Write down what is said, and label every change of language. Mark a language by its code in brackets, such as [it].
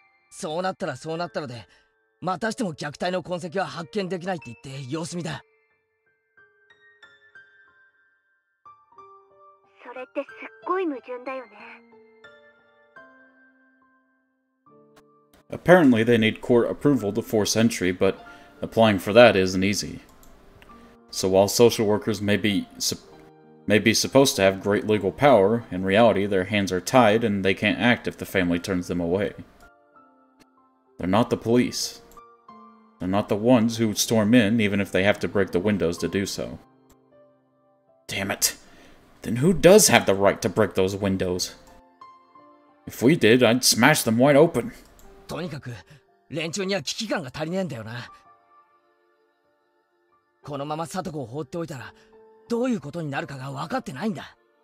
[ja] そうなったらそうなったので、またしても虐待の痕跡は発見できないって言って様子見だ。それってすっごい矛盾だよね。 [en] Apparently they need court approval to force entry, but applying for that isn't easy. So while social workers may be supposed to have great legal power, in reality their hands are tied and they can't act if the family turns them away. They're not the police. They're not the ones who would storm in even if they have to break the windows to do so. Damn it. Then who does have the right to break those windows? If we did, I'd smash them wide open. [ja] とにかく、連中には危機感が足りねえんだよな。このままサトコを放っておいたら、どういうことになるかが分かってないんだ。